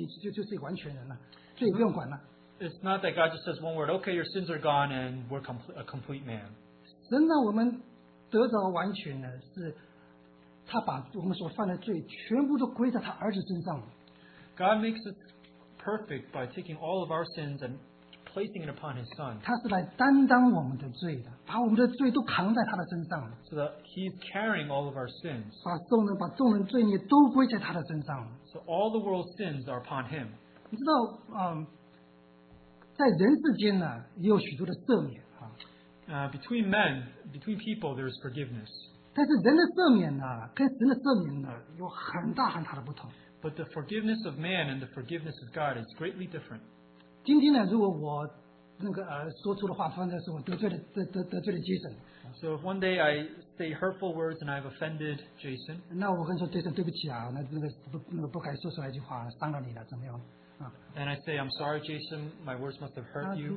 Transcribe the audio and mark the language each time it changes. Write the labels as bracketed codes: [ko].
[zh] 他说一句话，那么说罪没有了。那个你今天犯了罪，一笔勾销了。那么好了，就是完全人了，罪不用管了。It's [en] not that God just says one word, okay, your sins are gone and we're complete, a complete man. [zh] 神呢，我们得着完全呢，是他把我们所犯的罪全部都归在他儿子身上。God [en] makes us perfect by taking all of our sins and placing it upon his son. [zh] 他是来担当我们的罪的，把我们的罪都扛在他的身上了。So [en] that he's carrying all of our sins. [zh] 把众人罪孽都归在他的身上了。So [en] all the world's sins are upon him. [zh] 你知道, 在人世间呢, 也有许多的赦免, [en] between men, between people, there's forgiveness. [zh] 但是人的赦免呢, 跟神的赦免呢, 有很大很大的不同。 [en] But the forgiveness of man and the forgiveness of God is greatly different. [zh] 今天呢，如果我那个说出的话，放在说我得罪了 Jason。 [en] So if one day I say hurtful words and I've offended Jason. [zh] 那我跟说, 对不起啊, 那个不该说出来一句话,伤了你了, [en] and I say, I'm sorry, Jason, my words must have hurt you.